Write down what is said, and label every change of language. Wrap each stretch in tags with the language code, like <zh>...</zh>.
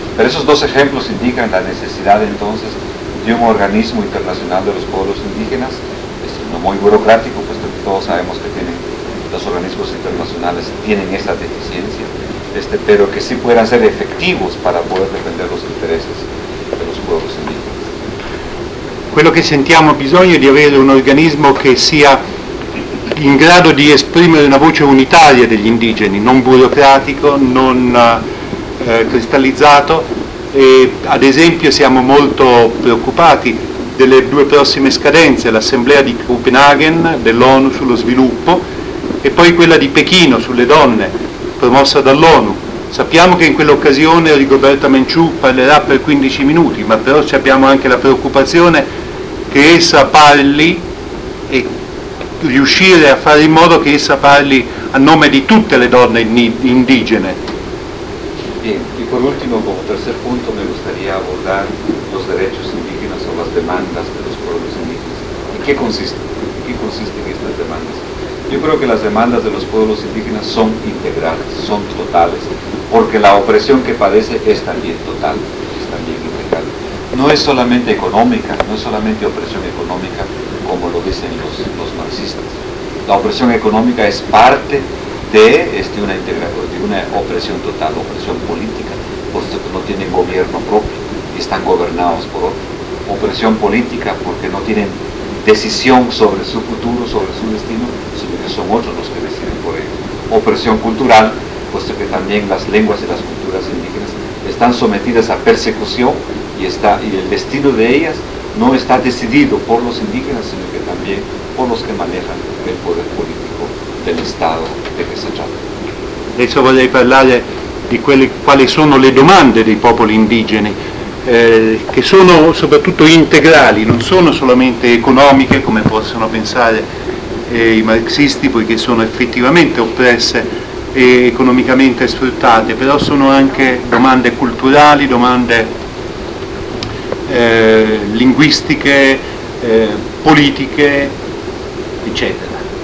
<es>Pero esos dos ejemplos indican la necesidad entonces de un organismo internacional de los pueblos indígenas, no muy burocrático, puesto que todos sabemos que tienen, los organismos internacionales tienen esa deficiencia, pero que sí puedan ser efectivos para poder defender los intereses de los pueblos indígenas.</es> <it>Quello che sentiamo bisogno di avere un organismo che sia in grado di esprimere una voce unitaria degli indigeni, non burocratico, non cristallizzato. E, ad esempio, siamo molto preoccupati delle due prossime scadenze, l'Assemblea di Copenaghen dell'ONU sullo sviluppo e poi quella di Pechino sulle donne, promossa dall'ONU. Sappiamo che in quell'occasione Rigoberta Menchú parlerà per 15 minuti, ma però abbiamo anche la preoccupazione che essa parli e riuscire a fare in modo che essa parli a nome di tutte le donne indigene.</it> <es>Bien, y por último, como tercer punto, me gustaría abordar los derechos indígenas o las demandas de los pueblos indígenas. ¿En qué consiste? ¿En qué consisten estas demandas? Yo creo que las demandas de los pueblos indígenas son integrales, son totales, porque la opresión que padece es también total, es también integral. No es solamente económica, no es solamente opresión económica, como lo dicen los marxistas. La opresión económica es parte de una opresión total, opresión política, puesto que no tienen gobierno propio, están gobernados por otro. Opresión política porque no tienen decisión sobre su futuro, sobre su destino, sino que son otros los que deciden por ello. Opresión cultural, puesto que también las lenguas y las culturas indígenas están sometidas a persecución y el destino de ellas no está decidido por los indígenas, sino que también por los que manejan el poder político del Estado de que se trata.</es> <it>Adesso vorrei parlare di quali sono le domande dei popoli indigeni, che sono soprattutto integrali, non sono solamente economiche, come possono pensare i marxisti, poiché sono effettivamente oppresse e economicamente sfruttate, però sono anche domande culturali, domande linguistiche, politiche, eccetera.</it>